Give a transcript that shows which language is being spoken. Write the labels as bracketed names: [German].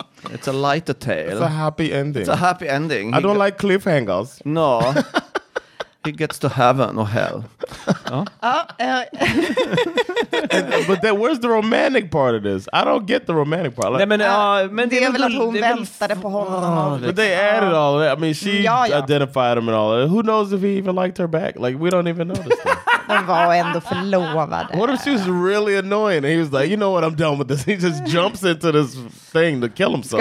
[English] It's a lighter tale. It's a happy ending. It's a happy ending. I don't like cliffhangers. No. He gets to heaven or hell. But then, where's the romantic part of this? I don't get the romantic part. Like, men [Swedish] det är väl att hon väntade på honom. [English] But they added all that. I mean, she identified him and all that. Who knows if he even liked her back? Like, we don't even know this stuff. [Swedish] Han var ändå förlovad. [English] What if she was really annoying? And he was like, you know what, I'm done with this. He just jumps into this thing to kill himself.